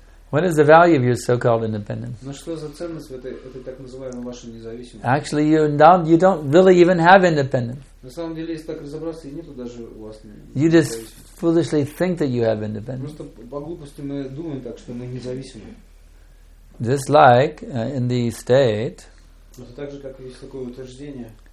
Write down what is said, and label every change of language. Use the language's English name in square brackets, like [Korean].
[English] What is the value of your so-called independence? [Russian] Ну что за ценность в этой так называемой вашей независимости? [English] Actually, you don't really even have independence. [Russian] На самом деле, если так разобраться, и нету даже у вас. [English] You just foolishly think that you have independence. [Russian] Просто по глупости мы думаем так, что мы независимы. [English] Just like in the state. [Russian] Это так же, как есть такое утверждение.